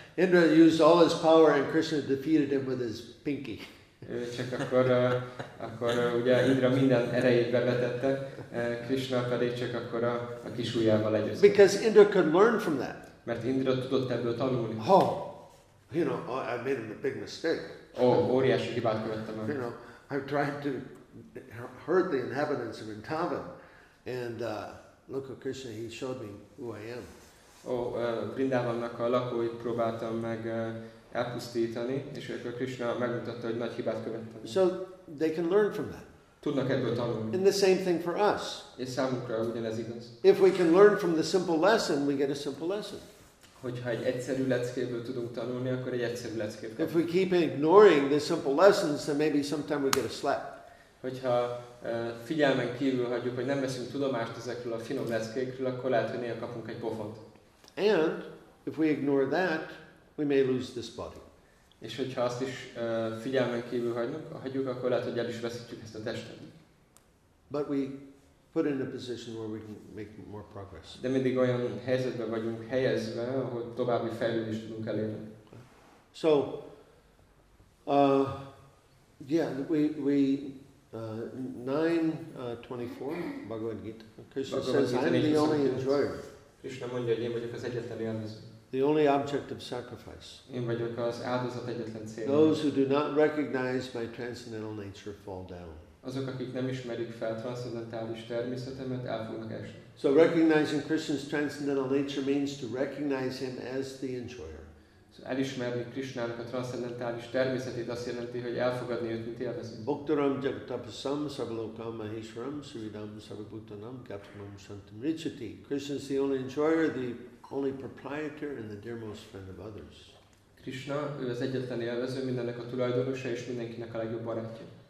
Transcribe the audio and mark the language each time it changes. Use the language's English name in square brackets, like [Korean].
[English] Indra used all his power and Krishna defeated him with his pinky. [Hungarian] Csak akkor ugye Indra minden erejét bevetette, Krishna pedig csak akkor a kis ujjával legyőzte. [English] Because Indra could learn from that. [Hungarian] Mert Indra tudott ebből tanulni. [English] Oh, I made a big mistake. [Hungarian] Óriási hibát követtem el. [English] I've tried to hurt the inhabitants of Vrindavan, and look at Krishna, he showed me who I am. [Hungarian] Vrindavannak a lakóit próbáltam meg elpusztítani, és akkor Krishna megmutatta, hogy nagy hibát követtem. [English] So they can learn from that. [Hungarian] Tudnak ebből tanulni. [English] And the same thing for us. [Hungarian] És számukra ugyanez igaz. [English] If we can learn from the simple lesson, we get a simple lesson. [Hungarian] Hogyha egy egyszerű leckéből tudunk tanulni, akkor egy egyszerű leckét kapunk. [English] If we keep ignoring the simple lessons, then maybe sometime we get a slap. [Hungarian] Hogyha figyelmen kívül hagyjuk, hogy nem veszünk tudomást ezekről a finom leckékről, akkor lehet, hogy néha kapunk egy pofont. [English] And if we ignore that, we may lose this body. [Hungarian] És hogyha azt is figyelmen kívül hagyjuk, akkor lehet, hogy el is veszítjük ezt a testet. [English] But we put in a position where we can make more progress. [Hungarian] De mindig olyan helyzetben vagyunk helyezve, hogy további fejlődést tudunk elérni. [English] So, yeah, we 9:24 Bhagavad Gita. Krishna says, "I'm the only enjoyer." [Hungarian] Krishna mondja, hogy én vagyok az egyetlen élvező. [English] The only object of sacrifice. [Hungarian] Én vagyok az áldozat egyetlen célja. [English] Those who do not recognize my transcendental nature fall down. [Hungarian] Azok, akik nem ismerik fel transzendentális természetemet, el fognak esni. [English] So recognizing Krishna's transcendental nature means to recognize him as the enjoyer. [Hungarian] So elismerni Krishnának a transzendentális természetét azt jelenti, hogy elfogadni őt, mint élvezni. [Sanskrit] Bhuktaram jagatapasam sarvalokam maheshwaram sridam sarvabhutanam gatmam shantam richati. [English] Krishna is the only enjoyer, the only proprietor and the dearmost friend of others. [Hungarian] Krishna, ő az egyetlen élvező, mindennek a tulajdonosa és mindenkinek a legjobb barátja.